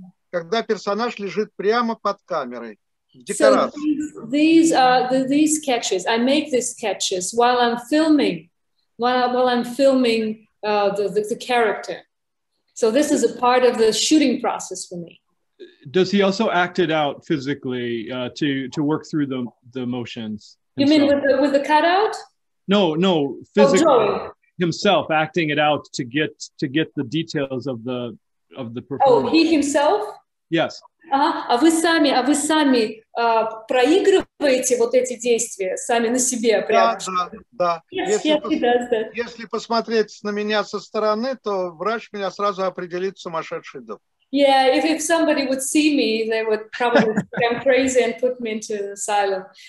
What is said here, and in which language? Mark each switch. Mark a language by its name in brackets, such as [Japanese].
[Russian] Когда персонаж лежит прямо под камерой, в декорации. [English] So these sketches, I make these sketches while I'm filming, the character. So this is a part of the shooting process for me. Does he also act it out physically to work through the motions? You mean with the cutout? No, physically himself acting it out to get the details of the performance. Oh, he himself? Yes. [Russian] А вы сами проигрываете вот эти действия сами на себе прямо? Да. Если посмотреть на меня со стороны, то врач меня сразу определит сумасшедший дом. [English] Yeah, if somebody would see me, they would probably think I'm crazy and put me into an asylum.